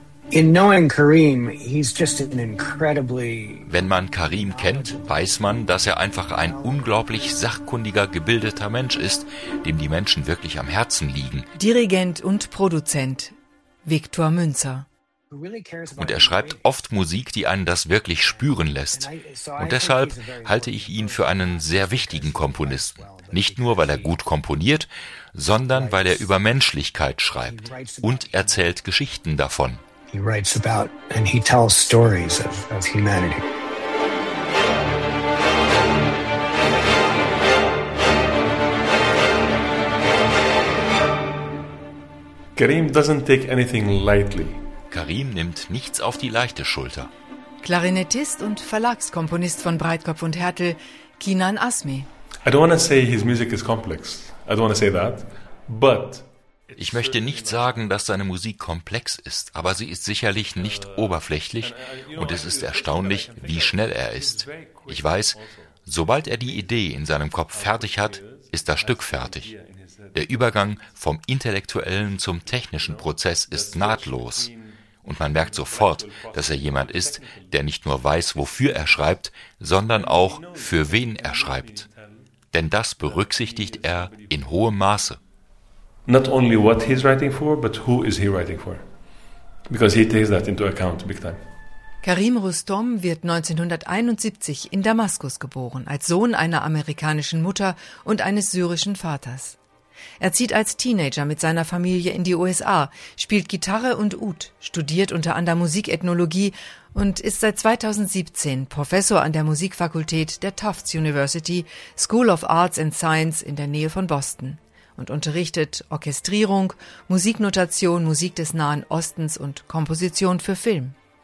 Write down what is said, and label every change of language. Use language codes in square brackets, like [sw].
[en] In knowing Karim, he's just an incredibly... [de] Wenn man Karim kennt, weiß man, dass er einfach ein unglaublich sachkundiger, gebildeter Mensch ist, dem die Menschen wirklich am Herzen liegen. Dirigent und Produzent Viktor Münzer. Und er schreibt oft Musik, die einen das wirklich spüren lässt. Und deshalb halte ich ihn für einen sehr wichtigen Komponisten. Nicht nur, weil er gut komponiert, sondern weil er über Menschlichkeit schreibt und erzählt Geschichten davon. [en] He writes about and he tells stories of humanity. Karim doesn't take anything lightly. [de] Karim nimmt nichts auf die leichte Schulter. Klarinettist und Verlagskomponist von Breitkopf und Härtel, Kinan Asmi. [en] I don't want to say his music is complex. I don't want to say that. But [de] ich möchte nicht sagen, dass seine Musik komplex ist, aber sie ist sicherlich nicht oberflächlich und es ist erstaunlich, wie schnell er ist. Ich weiß, sobald er die Idee in seinem Kopf fertig hat, ist das Stück fertig. Der Übergang vom intellektuellen zum technischen Prozess ist nahtlos. Und man merkt sofort, dass er jemand ist, der nicht nur weiß, wofür er schreibt, sondern auch, für wen er schreibt. Denn das berücksichtigt er in hohem Maße. [en] Not only what he's writing for, but who is he writing for? Because he takes that into account big time. [de] Karim Rustom wird 1971 in Damaskus geboren, als Sohn einer amerikanischen Mutter und eines syrischen Vaters. Er zieht als Teenager mit seiner Familie in die USA, spielt Gitarre und Oud, studiert unter anderem Musikethnologie und ist seit 2017 Professor an der Musikfakultät der Tufts University, School of Arts and Science in der Nähe von Boston, und unterrichtet Orchestrierung, Musiknotation, Musik des Nahen Ostens und Komposition für Film.